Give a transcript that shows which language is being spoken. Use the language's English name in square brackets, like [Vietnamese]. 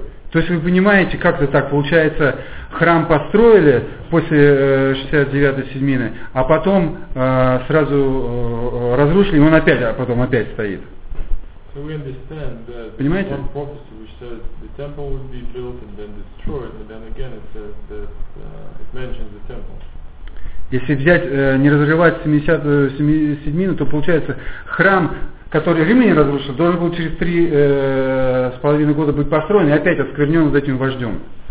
[Russian] То есть вы понимаете, как это так получается, храм построили после 69 седьмины, а потом сразу разрушили, и он опять, а потом опять стоит. [English] So we understand that [Russian] Понимаете? [English] One prophecy which says the temple would be built and then destroyed, and then again it says that it mentions the temple. [Russian] Если взять, не разрывать 77-ю, то получается храм, который римляне разрушили, должен был через 3.5 года быть построен и опять осквернен вот этим вождем.